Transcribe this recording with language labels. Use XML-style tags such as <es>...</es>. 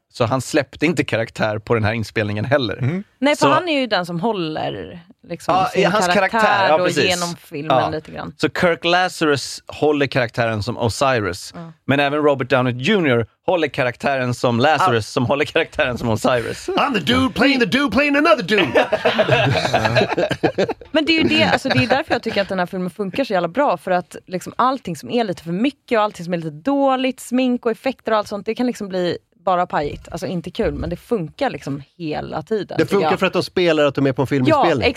<sv>Så han släppte inte karaktär på den här inspelningen heller. Mm. Nej, för han är ju den som håller liksom, sin karaktär, karaktär och genom filmen lite grann. Så Kirk Lazarus håller karaktären som Osiris. Mm. Men även Robert Downey Jr. håller karaktären som Lazarus som håller karaktären som Osiris.</sv> <en>I'm the dude playing the dude playing another dude.</en> <sv>Men det är ju det, alltså det är därför jag tycker att den här filmen funkar så jävla bra, för att liksom allting som är lite för mycket och allting som är lite dåligt, smink och effekter och allt sånt, det kan liksom bli bara pajigt. Alltså inte kul, men det funkar liksom hela tiden. Det funkar för att de spelar, att de är på en filminspelning.</sv>